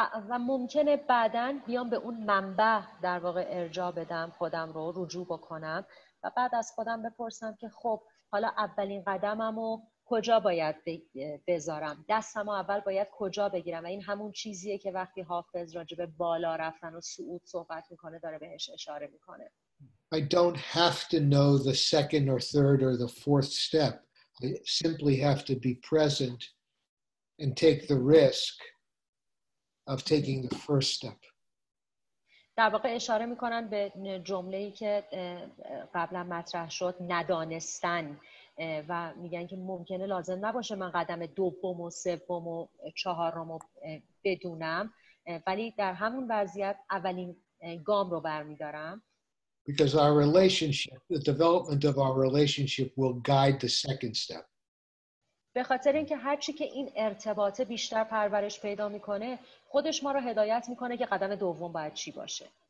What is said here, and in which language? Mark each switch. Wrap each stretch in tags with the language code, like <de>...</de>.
<fa>و ممکنه بعداً بیام به اون منبع در واقع ارجاع بدم خودم رو رجوع بکنم و بعد از خودم بپرسم که خب حالا اولین قدممو کجا باید بذارم دستمو اول باید کجا بگیرم و این همون چیزیه که وقتی حافظ راجع به بالا رفتن و صعود صحبت میکنه داره بهش اشاره میکنه</fa> <en>I don't have to know the second or third or the fourth step I simply have to be present and take the risk of taking the first step</en> <fa>در واقع اشاره میکنن به جمله‌ای که قبلا مطرح شد ندانستن و میگن که ممکنه لازم نباشه من قدم دوم و سوم و چهارم رو بدونم ولی در همون وضعیت اولین گام رو برمی‌دارم</fa> <en>because our relationship the development of our relationship will guide the second step</en> <fa>به خاطر اینکه هر چی که این ارتباط بیشتر پرورش پیدا میکنه خودش ما رو هدایت میکنه که قدم دوم باید چی باشه.</fa>